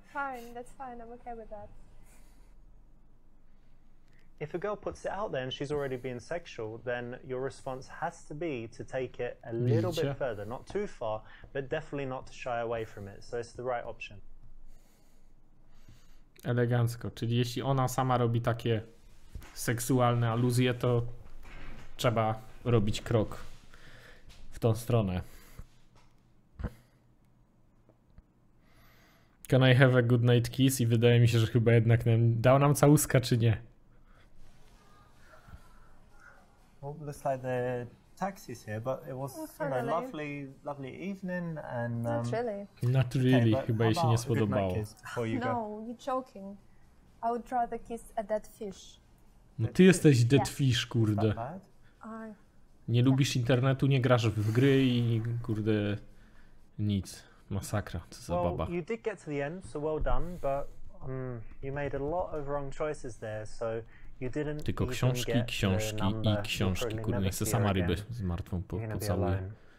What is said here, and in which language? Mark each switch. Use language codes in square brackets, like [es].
[en] Fine. That's fine. I'm okay with that. If a girl puts it out there and she's already being sexual, then your response has to be to take it a little bit further, not too far, but definitely not to shy away from it. So it's the right option. [pl] Elegancko. Czyli jeśli ona sama robi takie seksualne aluzje, to trzeba robić krok w tą stronę. [en] Can I have a good night kiss? [pl] I wydaje mi się, że chyba jednak dał nam całuska, czy nie? [en] Well, looks like the taxi's here, but it was a lovely evening and not really. [pl] Okay, chyba jej się nie spodobało. [en] No, you're joking. I would rather kiss a dead fish. [pl] No ty jesteś [en] dead fish, [pl] kurde. Nie lubisz internetu, nie grasz w gry i kurde nic. Masakra, co za baba. [en] Well, you did get to the end, so well done, but you made a lot of wrong choices there, so you didn't. [pl] Tylko książki, książki i książki, kurde, nie chcę sama ryby z martwą pocałuję.